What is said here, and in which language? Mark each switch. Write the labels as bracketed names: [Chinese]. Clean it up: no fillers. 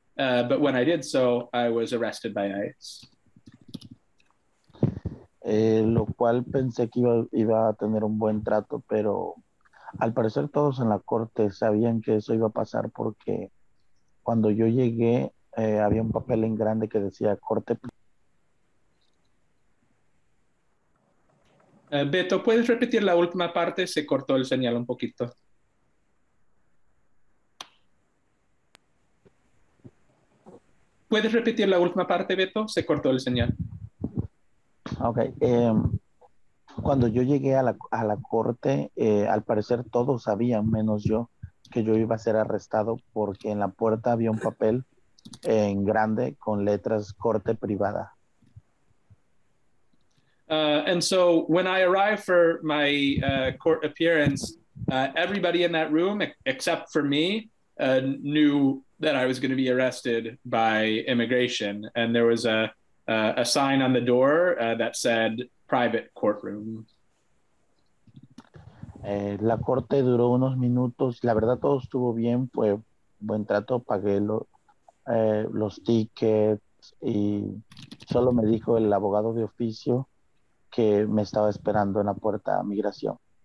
[English] But when I did so, I was arrested by ICE. [Spanish] Lo cual pensé que iba a tener un buen trato, pero al parecer todos en la corte sabían que eso iba a pasar, porque cuando yo llegué, había un papel en grande que decía corte. Beto, ¿puedes repetir la última parte? Se cortó el señal un poquito. ¿Puedes repetir la última parte, Beto? Se cortó el señal. Ok. Cuando yo llegué a la corte, al parecer todos sabían, menos yo, que yo iba a ser arrestado, porque en la puerta había un papel en grande con letras corte privada. [English] And so when I arrived for my court appearance, everybody in that room except for me knew that I was going to be arrested by immigration, and there was a sign on the door that said private courtroom. [Spanish] La corte duró unos minutos, la verdad todo estuvo bien, fue buen trato, pagué los tickets, y solo me dijo el abogado de oficio que me estaba esperando en la puerta a migración.